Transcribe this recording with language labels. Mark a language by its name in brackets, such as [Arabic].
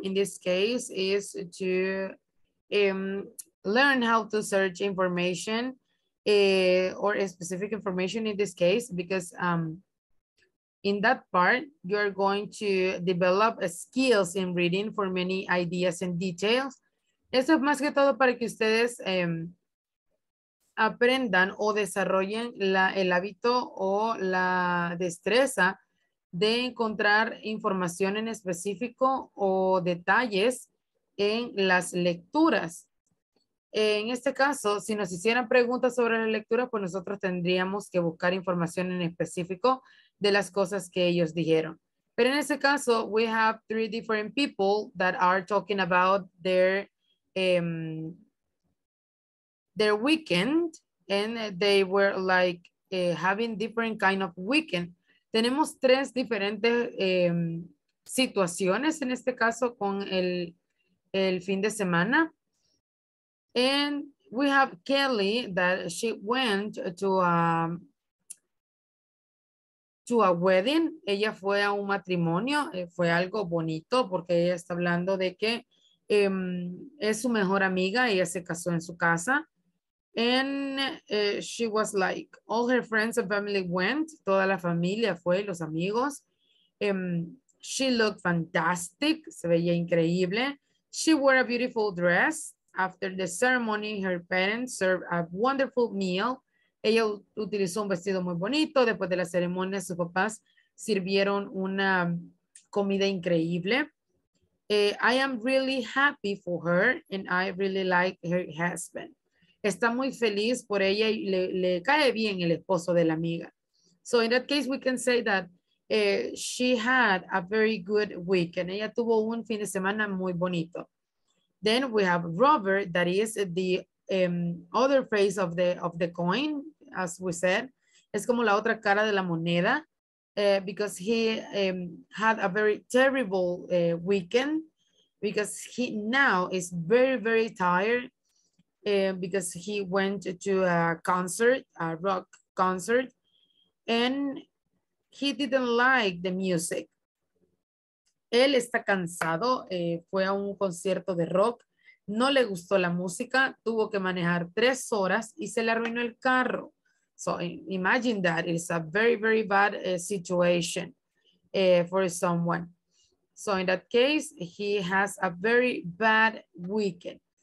[English] In this case is to learn how to search information or a specific information in this case, because in that part, you're going to develop skills in reading for many ideas and details. [Spanish] Eso es más que todo para que ustedes aprendan o desarrollen el hábito o la destreza de encontrar información en específico o detalles en las lecturas. En este caso, si nos hicieran preguntas sobre la lectura, pues nosotros tendríamos que buscar información en específico de las cosas que ellos dijeron. Pero en este caso, [English] we have three different people that are talking about their weekend, and they were like having different kind of weekend. [Spanish] Tenemos tres diferentes situaciones en este caso con el fin de semana. [English] And we have Kelly that she went to a wedding. [Spanish] Ella fue a un matrimonio, fue algo bonito porque ella está hablando de que es su mejor amiga, ella se casó en su casa. [English] And she was like, all her friends and family went. [Spanish] Toda la familia fue, los amigos. [English] She looked fantastic. [Spanish] Se veía increíble. [English] She wore a beautiful dress. After the ceremony, her parents served a wonderful meal. [Spanish] Ella utilizó un vestido muy bonito. Después de la ceremonia, sus papás sirvieron una comida increíble. [English] I am really happy for her and I really like her husband. [Spanish] Está muy feliz por ella y le cae bien el esposo de la amiga. [English] So in that case, we can say that she had a very good weekend. [Spanish] Ella tuvo un fin de semana muy bonito. [English] Then we have Robert, that is the other face of the coin, as we said. [Spanish] Es como la otra cara de la moneda, [English] because he had a very terrible weekend, because he now is very, very tired, because he went to a concert, a rock concert, and he didn't like the music. [Spanish] Él está cansado, fue a un concierto de rock, no le gustó la música, tuvo que manejar 3 horas y se le arruinó el carro. [English] So imagine that, it's a very, very bad situation for someone. So in that case, he has a very bad weekend.